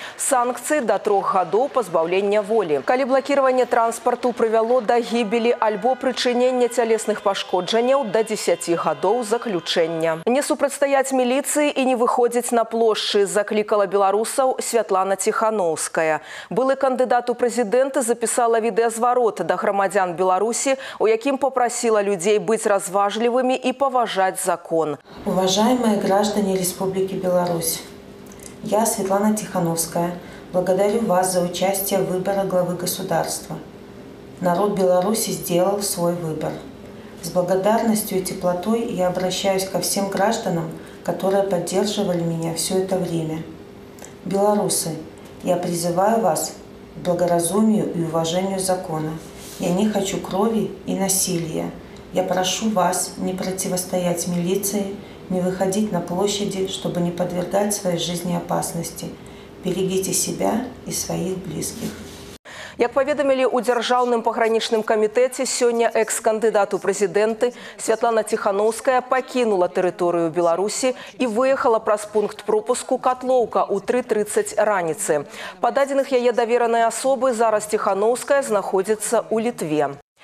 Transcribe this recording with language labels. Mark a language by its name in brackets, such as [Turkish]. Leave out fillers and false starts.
[Belarusian] Санкцыі да 3 гадоў пазбаўлення волі. Калі блакіраванне транспарту прывяло да гібелі альбо прычынення цялесных пашкоджанняў, да 10 гадоў заключэння. Не супрацьстаяць міліцыі і не выходзіць на плошчы, заклікала беларусаў Святлана Ціханоўская. Былы кандыдат у прэзідэнты запісала відэазварот да грамадзян Беларусі, у якім папрасіла людзей быць разважлівымі і паважаць закон. [Russian] Уважаемыя граждане Республікі Беларусь, я, Светлана Тихановская, благодарю вас за участие в выборе главы государства. Народ Беларуси сделал свой выбор. С благодарностью и теплотой я обращаюсь ко всем гражданам, которые поддерживали меня все это время. Беларусы, я призываю вас к благоразумию и уважению закона. Я не хочу крови и насилия. Я прошу вас не противостоять милиции, не выходить на площади, чтобы не подвергать своей жизни опасности. Берегите себя и своих близких. [Belarusian] Як паведамілі ў дзяржаўным пагранічным камітэце, сёння экс-кандыдат у прэзідэнты Святлана Ціханоўская пакінула тэрыторыю Беларусі і выехала праз пункт пропуску Катлоўка ў 3:30 раніцы. Па дадзеных яе даверанай асобы, зараз Ціханоўская знаходзіцца ў Літве.